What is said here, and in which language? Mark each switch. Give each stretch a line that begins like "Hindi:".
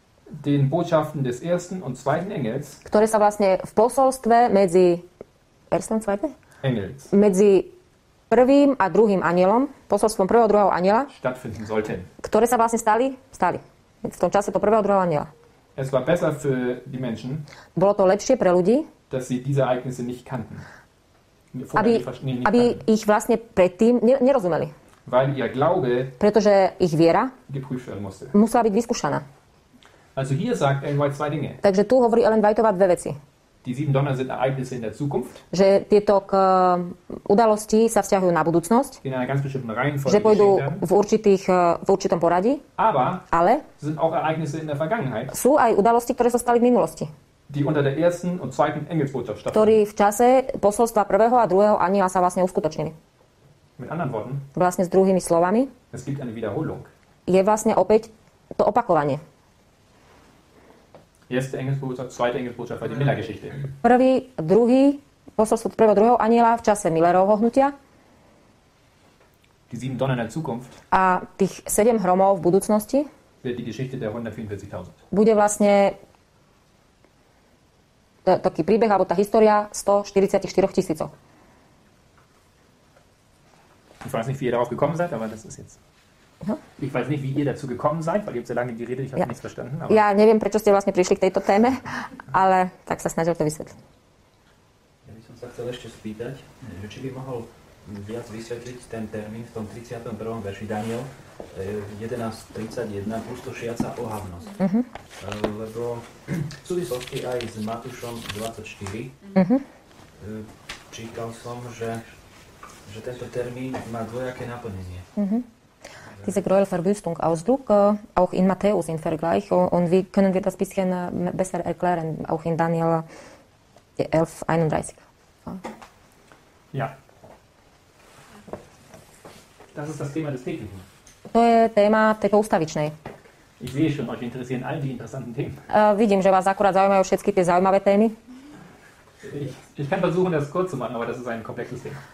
German: den Botschaften des ersten und zweiten Engels,
Slovak: ktoré sa vlastne v posolstve medzi
German: ersten zweite Engels,
Slovak: medzi prvým a druhým anielom, posolstvom prvého a druhého aniela,
German: stattfinden sollten,
Slovak: ktoré sa vlastne stali v tom čase to prvého a druhého aniela.
German: Es war besser für die Menschen,
Slovak: bolo to lepšie pre ľudí,
German: dass sie diese Ereignisse nicht kannten,
Slovak: aby ich vlastne predtým nerozumeli,
German: weil ihr Glaube,
Slovak: pretože ich viera
German: geprüft werden musste,
Slovak: musela byť vyskúšaná.
German: Also hier sagt Ellen White zwei Dinge.
Slovak: Takže tu hovorí Ellen Whiteová dve veci.
German: Die sieben Donner sind Ereignisse in der Zukunft.
Slovak: Že tieto udalosti sa vzťahujú na budúcnosť.
German: In einer ganz bestimmten Reihenfolge.
Slovak: Že pôjdu v určitom poradí.
German: Aber
Slovak: ale
German: sind auch Ereignisse in der Vergangenheit.
Slovak: Sú aj udalosti, ktoré sa stali v minulosti.
German: Die unter der ersten und zweiten Engelsbotschaft stattfinden.
Slovak: Ktorí v čase posolstva prvého a druhého aniela sa vlastne uskutočnili.
German: Mit anderen Worten.
Slovak: Vlastne s druhými slovami.
German: Es gibt eine Wiederholung.
Slovak: Je vlastne opäť to opakovanie.
German: Erste Engelsbotschaft, zweite Engelsbotschaft bei der Miller-Geschichte.
Slovak: Prvý, druhý, posolstvo prvého, druhého aniela v čase Millerovho hnutia.
German: Die sieben Donner in der Zukunft.
Slovak: A tých sedem hromov v budúcnosti.
German: Wird die Geschichte der 144.000.
Slovak: Bude vlastne taký príbeh, alebo tá história 144 000.
German: Ich weiß nicht, wie ihr darauf gekommen seid, aber das ist jetzt... Ich weiß nicht, wie ihr dazu gekommen seid, weil ihr habt sehr lange geredet, ich habe nichts verstanden. Aber...
Slovak: Ja, neviem, prečo ste vlastne prišli k tejto téme, ale tak sa snažil to vysvetliť. Ja by som sa chcel ešte spýtať, že či by mohol viac vysvetliť ten termín v tom 31. verši Daniel 11.31, pustošiaca ohavnosť. Uh-huh. Lebo v súvislosti aj s Matúšom 24 uh-huh. Čítal som, že tento termín má dvojaké naplnenie. Uh-huh.
German: Diese Gräuel Verwüstung Ausdruck auch in Matthäus in Vergleich und wie können wir das bisschen besser erklären auch in Daniel 11:31. Ja. Das ist das Thema des täglichen.
Slovak: To je téma tejto ustavičnej.
German: Ich sehe schon, euch interessieren all die interessanten Themen.
Slovak: Vidím, že vás akurát zaujímajú všetky tie zaujímavé témy.
German: Ich kann versuchen das kurz zu machen, aber das ist ein komplexes Thema.